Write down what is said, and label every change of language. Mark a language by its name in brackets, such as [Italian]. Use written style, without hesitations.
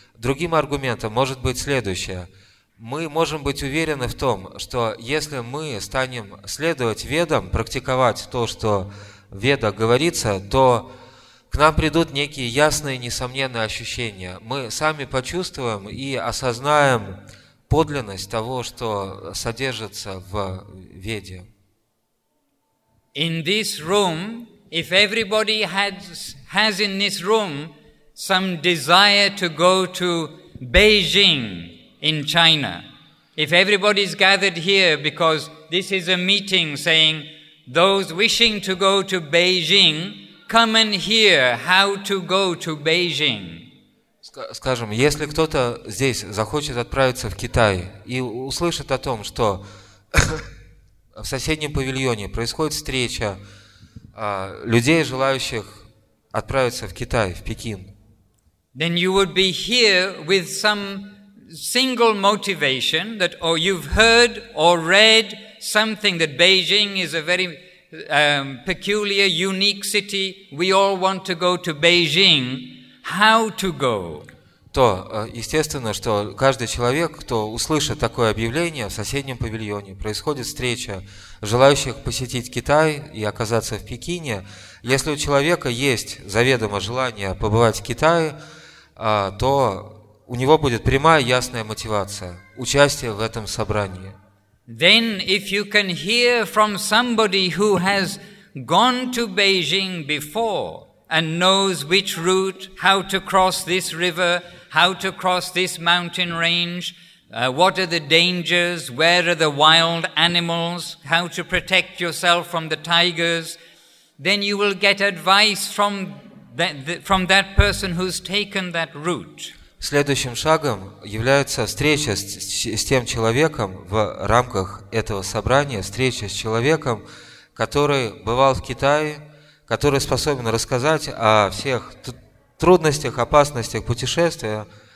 [Russian] Другим аргументом может быть следующее. Мы можем быть уверены в том, что если мы станем следовать ведам, практиковать то, что в ведах говорится, то к нам придут некие ясные, несомненные ощущения. Мы сами почувствуем и осознаем подлинность того, что содержится в веде. [English] In this room, if everybody has in this room some desire to go to Beijing in China, if everybody is gathered here because this is a meeting saying those wishing to go to Beijing, come and hear how to go to Beijing. [Russian] Скажем, если кто-то здесь захочет отправиться в Китай и услышит о том, что в соседнем павильоне происходит встреча людей, желающих отправиться в Китай, в Пекин. [English] Then you would be here with some single motivation that, or you've heard or read something that Beijing is a very peculiar, unique city. We all want to go to Beijing. How to go? [Russian] То, естественно, что каждый человек, кто услышит такое объявление в соседнем павильоне, происходит встреча желающих посетить Китай и оказаться в Пекине. Если у человека есть заведомо желание побывать в Китае, то у него будет прямая ясная мотивация – участие в этом собрании. [English] Then, if you can hear from somebody who has gone to Beijing before and knows which route, how to cross this river, how to cross this mountain range, what are the dangers, where are the wild animals, how to protect yourself from the tigers, then you will get advice from that person who's taken that route. [Russian] Следующим шагом является встреча с тем человеком в рамках этого собрания, встреча с человеком, который бывал в Китае, который способен рассказать о всех трудностях, опасностях путешествия.